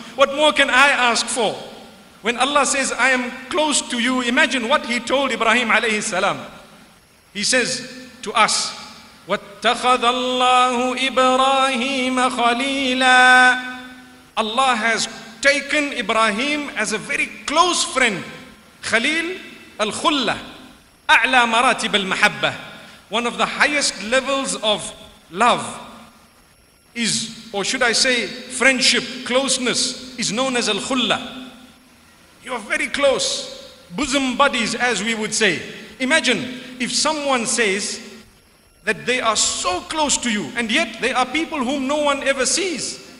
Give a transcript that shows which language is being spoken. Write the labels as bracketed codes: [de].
[en] What more can I ask for? When Allah says, I am close to you, imagine what He told Ibrahim alayhi salam. He says to us, [ar] وَاتَّخَذَ اللَّهُ إِبْرَاهِيمَ خَلِيلًا. [en] Allah has taken Ibrahim as a very close friend. [ar] Khalil al-Khullah, أَعْلَى مَرَاتِبَ الْمَحَبَّةِ. [en] One of the highest levels of love is, or should I say, friendship, closeness, is known as al-Khullah. You are very close, bosom buddies, as we would say. Imagine if someone says that they are so close to you, and yet they are people whom no one ever sees.